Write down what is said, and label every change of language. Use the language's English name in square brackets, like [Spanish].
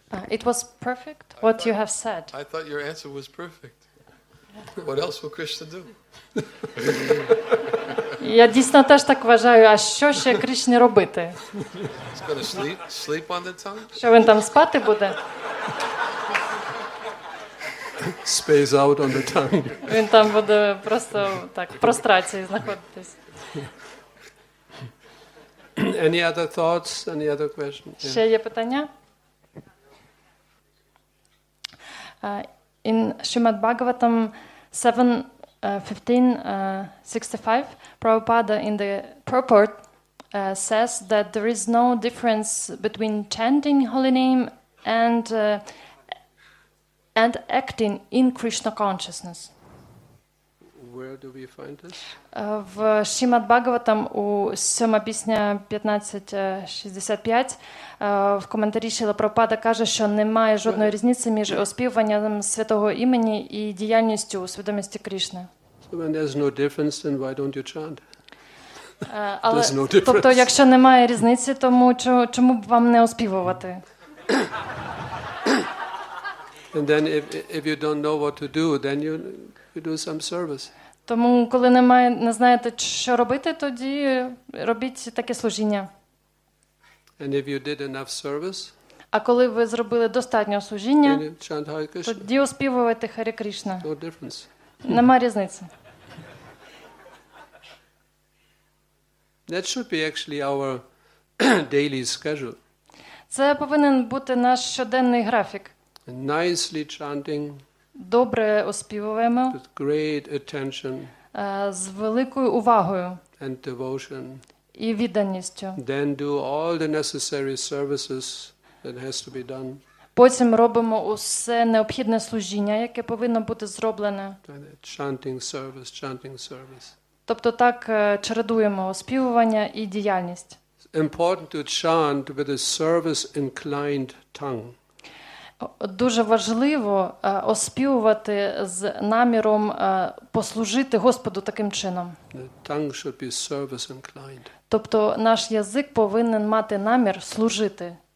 [English] It was perfect, what you have said. I thought your answer was perfect. What else will Krishna do? [Ukrainian] Я дійсно теж так вважаю, а що ще Кришні робити? [English] He's going to sleep on the tongue? [Ukrainian] Що він там спати буде? [English] Space out on the tongue. [Ukrainian] Він там буде просто так, в прострації знаходитись. [English] Any other thoughts? Any other questions? [Ukrainian] Ще є питання? [English] In Srimad Bhagavatam 7.15.65, Prabhupada in the purport says that there is no difference between chanting holy name and acting in Krishna consciousness. Where do we find this? [Ukrainian] В Шримад Бхагаватам у 7 пісня 1565 в коментарі Шріла Прабхупада каже, що немає жодної різниці між оспівуванням святого імені і діяльністю у свідомості Кришни. [English] So when there's no difference, then why don't you chant? [Ukrainian] Але, [English] no difference. [Ukrainian] Тобто, якщо немає різниці, тому чому б вам не оспівувати? [English] And then if you don't know what to do, then you do some service. [Ukrainian] Тому коли не знаєте, що робити, тоді робіть таке служіння. [English] And if you did enough service, [Ukrainian] а коли ви зробили достатньо служіння, тоді оспівуєте Харе Кришна. [English] No difference. [Ukrainian] Нема різниці. [English] That should be actually our daily schedule. [Ukrainian] Це повинен бути наш щоденний графік. [English] Nicely chanting. [Ukrainian] Добре оспівуємо. [English] With great attention. [Ukrainian] З великою увагою. [English] And devotion. [Ukrainian] І відданістю. [English] Then do all the necessary services that has to be done. [Ukrainian] Потім робимо усе необхідне служіння, яке повинно бути зроблене. [English] Chanting service, chanting service. [Ukrainian] Тобто так чередуємо оспівування і діяльність. [English] Important to chant with a service inclined tongue. [Ukrainian] Дуже важливо оспівувати з наміром послужити Господу таким чином. [English] The tongue should be service inclined. [Ukrainian] Тобто наш язик повинен мати намір служити.